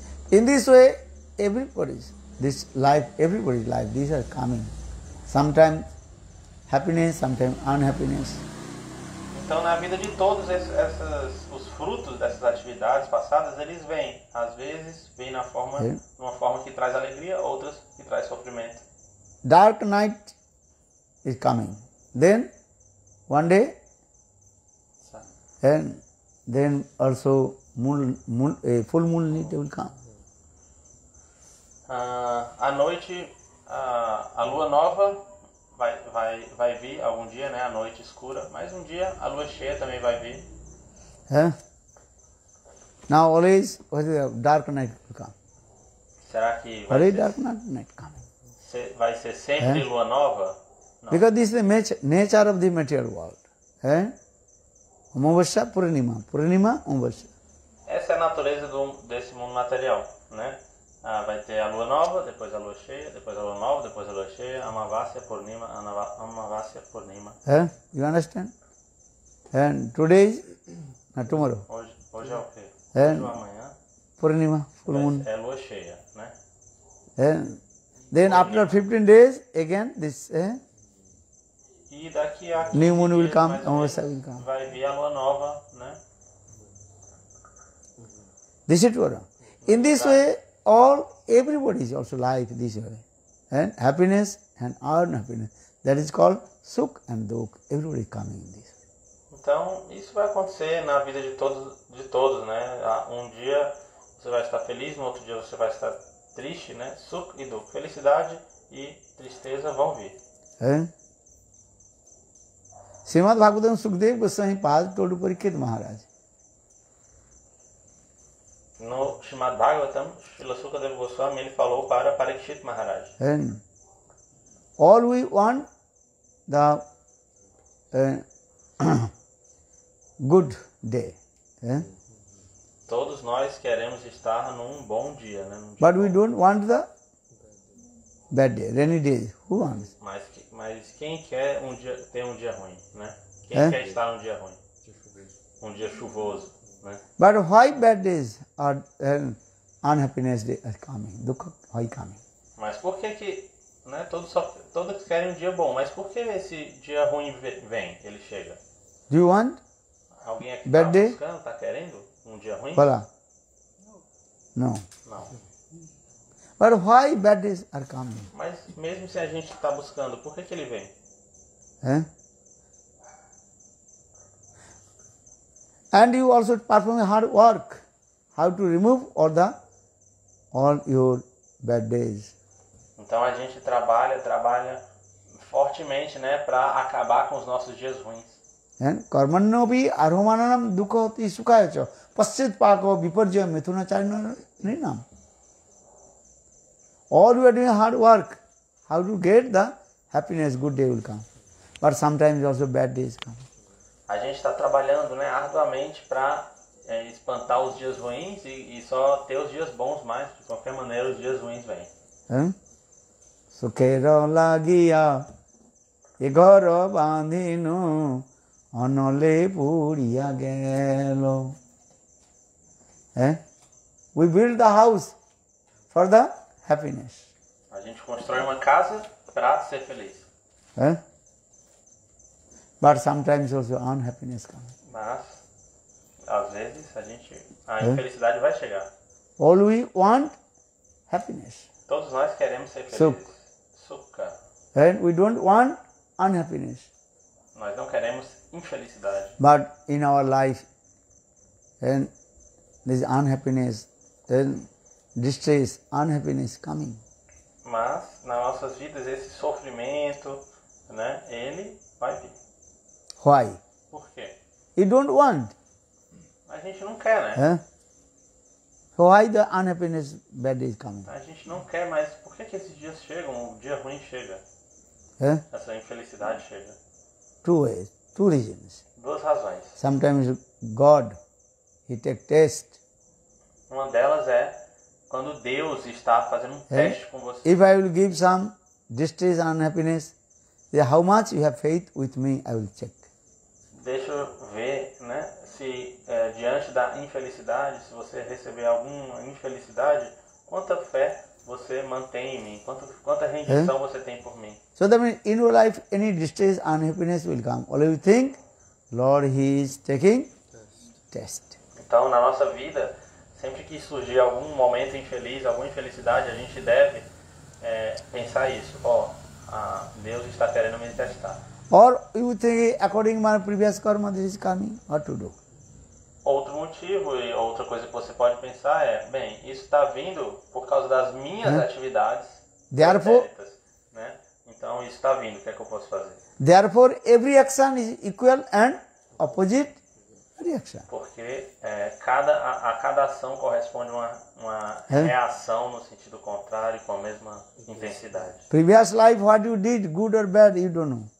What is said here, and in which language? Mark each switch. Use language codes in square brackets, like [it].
[en] In this way, everybody's life, these are coming. Sometimes happiness, sometimes unhappiness. [pt] Então, na vida de todos, os frutos dessas atividades passadas, eles vêm. Às vezes, vêm na forma, numa forma que traz alegria, outras que traz sofrimento. [en] Dark night is coming. Then, one day, and then also full moonlight will come. [pt] À noite, a lua nova vai vir algum dia, né? A noite escura, mas um dia a lua cheia também vai vir. [en] Now always dark night will come. [pt] Será que vai ser [en] dark night coming? [pt] Vai ser sempre lua nova? Não. [en] Because this is the nature of the material world. [sa] Omavasya, Purnima. Purnima, Omavasya. [pt] Essa é a natureza desse mundo material, né? Vai ter a lua nova, depois a lua cheia, depois a lua nova, depois a lua cheia, Amavasya, Purnima, Amavasya, Purnima. [en] You understand? And today, not tomorrow. [pt] Hoje é o quê? Hoje ou amanhã? [en] Purnima, full moon. [pt] É lua cheia, né? [en] Then Purnima. After 15 days, again this... [pt] E daqui a [en] new moon will come, Amavasya will come. [pt] Vai vir a lua nova, né? [en] This is true. In this way, everybody is also life this way. And happiness and unhappiness. That is called sukh and dukh. Everybody is coming in this way. [pt] Então, isso vai acontecer na vida de todos, né? Um dia você vai estar feliz, no outro dia você vai estar triste, né? Sukh e dukh. Felicidade e tristeza vão vir. Srimad Bhagavatam Sukhdev Goswami Pad Todo Parikrit Maharaj. No Srimad Bhagavatam, Srila Sukadeva Goswami, ele falou para Parikshit Maharaj. [en] All we want the good day. [pt] Todos nós queremos estar num bom dia, né? [en] But we don't want the bad day, rainy days. Who wants? [pt] Mas, Mas quem quer um dia, ter um dia ruim, né? Quem quer estar um dia ruim? Um dia chuvoso, né? [en] But why bad days are unhappiness day are coming? Look why coming? [pt] Mas por que que, né? Todos querem um dia bom, mas por que esse dia ruim vem? Ele chega. [en] Do you want? [pt] Alguém aqui está buscando, está querendo um dia ruim? Fala. Não. Não. [en] But why bad days are coming? [pt] Mas mesmo se a gente está buscando, por que que ele vem? É? [en] And you also perform hard work, how to remove all your bad days. [pt] Então a gente trabalha fortemente, né, para acabar com os nossos dias ruins. [sa] And karmanno bi arhamananam dukhati sukhayacho paschit pako viparjaya mithunacharino ninam. [en] All you are doing hard work, how to get the happiness, good day will come. But sometimes also bad days come. [pt] A gente está trabalhando, né, arduamente para espantar os dias ruins e só ter os dias bons mais. De qualquer maneira, os dias ruins vêm. [bn] Sukero lagia egoro bandino anole puria gelo. [en] We build the house for the happiness. [pt] A gente constrói uma casa para ser feliz. [en] But sometimes also unhappiness comes. [pt] Mas, às vezes, infelicidade vai chegar. [en] All we want, happiness. [pt] Todos nós queremos ser felizes. [sa] Sukha. [en] And we don't want unhappiness. [pt] Nós não queremos infelicidade. [en] But in our life, and this unhappiness, and distress, unhappiness coming. [pt] Mas, nas nossas vidas, esse sofrimento, né, ele vai vir. [en] Why? [pt] Por quê? [en] You don't want. [pt] A gente não quer, né? [en] So why the unhappiness bad day is coming? [pt] A gente não quer, mas por que esses dias chegam? O dia ruim chega. Essa infelicidade chega. [en] Two ways, two reasons. [pt] Duas razões. [en] Sometimes God, he take test. [pt] Uma delas é quando Deus está fazendo um teste com você. [en] If I will give some distress, unhappiness, how much you have faith with me, I will check. [pt] Deixa eu ver, né, se diante da infelicidade, se você receber alguma infelicidade, quanta fé você mantém em mim, quanta rendição você tem por mim. [en] So that means in your life, any distress, unhappiness will come. All you think, Lord, he is taking test. [pt] Então, na nossa vida, sempre que surgir algum momento infeliz, alguma infelicidade, a gente deve pensar isso, Deus está querendo me testar. [en] Or you think according to my previous karma this is coming, what to do? [pt] Outro motivo e outra coisa que você pode pensar é, bem, isso está vindo por causa das minhas atividades. [en] Therefore, [pt] né? Então isso está vindo, o que é que eu posso fazer? [en] Therefore, every action is equal and opposite reaction. [pt] Porque cada ação corresponde uma reação no sentido contrário, com a mesma intensidade. [en] Previous life, what you did, good or bad, you don't know.